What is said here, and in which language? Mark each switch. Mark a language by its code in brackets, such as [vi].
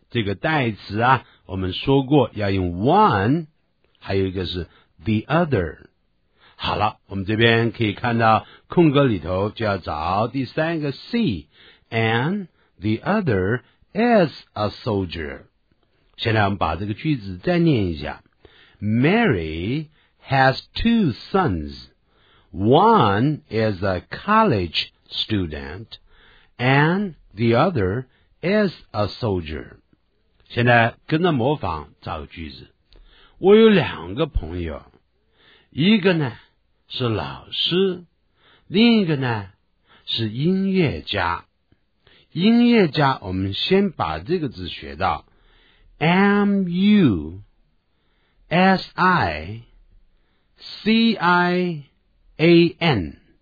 [zh] 这个代词啊，我们说过要用 one， 还有一个是 [en] the other。 [zh] 好了，我们这边可以看到空格里头就要找第三个 C， [en] and the other is a soldier。 [zh] 现在我们把这个句子再念一下。 [en] Mary has 2 sons. One is a college student and the other is a soldier. [zh] 现在跟着模仿造个句子。我有两个朋友，一个呢是老师，另一个呢是音乐家。音乐家我们先把这个字学到M-U-S-I-C-I-A-N